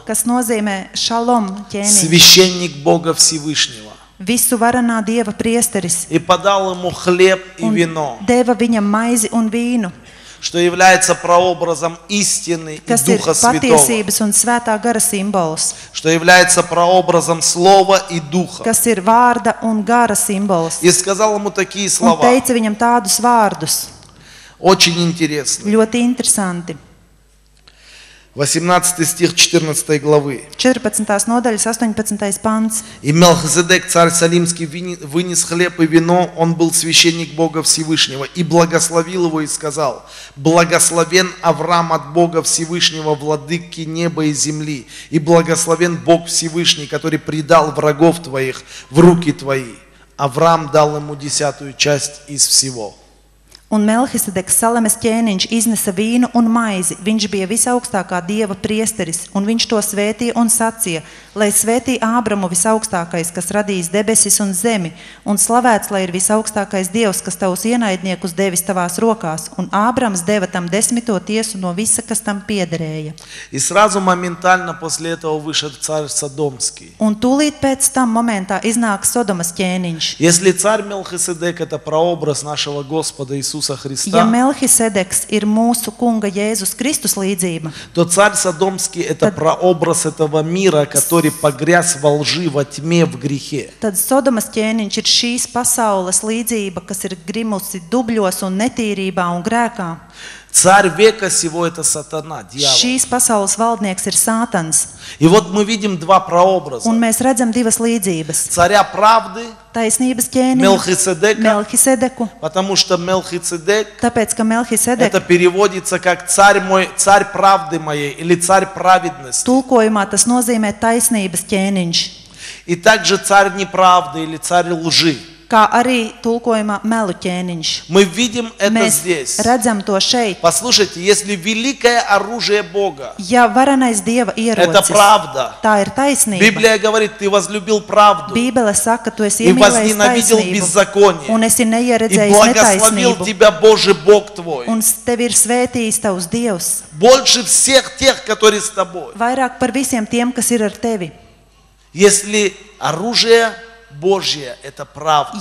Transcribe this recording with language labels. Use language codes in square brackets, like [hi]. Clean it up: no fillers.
[lv] Kas nozīmē šalom ķēniņš. [ru] Священник Бога Всевышнего. [lv] Visu varanā Dieva priesteris. [ru] И подал ему хлеб и вино. [lv] Deva viņam maizi un vīnu. [ru] Что является прообразом истины и Духа Святого. [lv] Kas ir patiesības un svētā gara simbols. [ru] Что является прообразом слова и Духа. [lv] Kas ir vārda un gara simbols. [ru] И сказал ему такие слова. [lv] Un teica viņam tādus vārdus. [ru] Очень интересно. [lv] Ļoti interesanti. [ru] 18 стих 14 главы. [lv] 14 nodaļas 18. pants. [ru] И Мелхиседек, царь Салимский, вынес хлеб и вино, он был священник Бога Всевышнего, и благословил его и сказал: благословен Авраам от Бога Всевышнего, владыки неба и земли, и благословен Бог Всевышний, который предал врагов твоих в руки твои. Авраам дал ему десятую часть из всего. [lv] Un Melhisedeks Salemes ķēniņš iznesa vīnu un maizi. Viņš bija visaugstākā Dieva priesteris, un viņš to svētīja un sacīja, lai svētī Ābramu visaugstākais, kas radījis debesis un zemi, un slavēts, lai ir visaugstākais Dievs, kas tavus ienaidniekus devis tavās rokās, un Ābrams deva tam desmito tiesu no visa, kas tam piederēja. Un tūlīt pēc tam momentā iznāk Sodomas ķēniņš. [ru] Если царь Мелхиседек это прообраз нашего Господа Иисуса, [lv] ja Melchisedeks ir mūsu Kunga Jēzus Kristus līdzība, [ru] то царь Содомский это прообраз этого мира, который погряз во лжи, во тьме, в грехе. [lv] Tad Sodomas ķēniņš ir šīs pasaules līdzība, kas ir grimusi dubļos un netīrībā un grēkā. [ru] Царь века сего это сатана, дьявол. [lv] Šīs pasaules valdnieks ir Sātans. [ru] И вот мы видим два прообраза. [lv] Un mēs redzam divas līdzības. [ru] Царя правды. [lv] Taisnības ķēniņš. [ru] Мелхиседека. [lv] Мелхиседеку. [ru] Потому что Мелхиседек. [lv] Tāpēc, ka Мелхиседек. [ru] Это переводится как царь мой, царь правды моей или царь праведности. [lv] Tulkojumā tas nozīmē taisnības ķēniņš. [ru] И также царь неправды или царь лжи. [lv] Kā arī tulkojumā melu ķēniņš. [ru] Мы видим это [lv] Mēs [ru] здесь. [lv] Redzam to šeit. [ru] Послушайте, если великое оружие Бога. [lv] Ja varenais Dieva ierocis. [ru] Это правда. [lv] Tā ir taisnība. [ru] Библия говорит: ты возлюбил правду. [lv] Bībele saka, tu esi iemīlējis taisnību. [ru] И возненавидел беззаконие. [lv] Un esi neieredzējis netaisnību. [ru] И благословил тебя Божий Бог твой. [lv] Un tevi ir svētījis tavs Dievs. [ru] Больше всех тех, которые с тобой. [lv] Vairāk par visiem tiem, kas ir ar tevi. [ru] Если оружие Божье это правда.